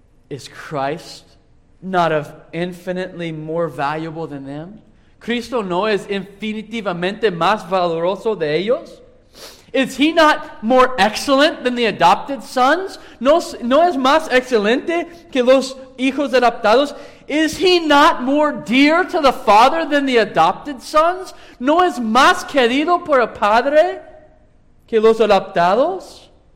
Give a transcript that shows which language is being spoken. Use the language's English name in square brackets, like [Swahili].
[English] Is Christ not of infinitely more valuable than them? [Spanish] ¿Cristo no es infinitivamente más valoroso de ellos? [English] Is he not more excellent than the adopted sons? [Spanish] ¿No es más excelente que los hijos adoptados? [English] Is he not more dear to the Father than the adopted sons? [Spanish] ¿No es más querido por el Padre que los adoptados?